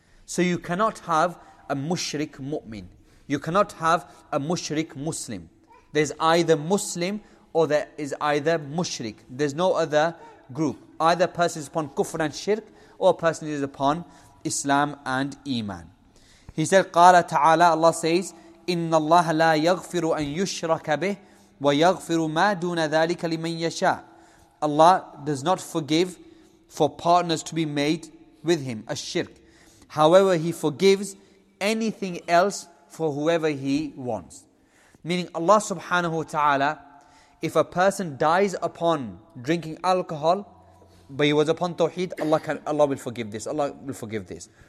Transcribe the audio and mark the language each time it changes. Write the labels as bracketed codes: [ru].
[en] So you cannot have a mushrik mu'min. You cannot have a mushrik Muslim. There's either Muslim or there is either mushrik. There's no other group. Either a person is upon kufr and shirk or a person is upon Islam and Iman. He said, [ar] قَالَ تَعَالَىٰ [en] Allah says, [ar] إِنَّ اللَّهَ لَا يَغْفِرُ أَن يُشْرَكَ بِهِ وَيَغْفِرُ مَا دُونَ ذَلِكَ لِمَن يَشَاءُ. [en] Allah does not forgive for partners to be made with Him, a shirk. However, He forgives anything else for whoever He wants. Meaning Allah subhanahu wa ta'ala, if a person dies upon drinking alcohol, but he was upon tawheed, Allah will forgive this.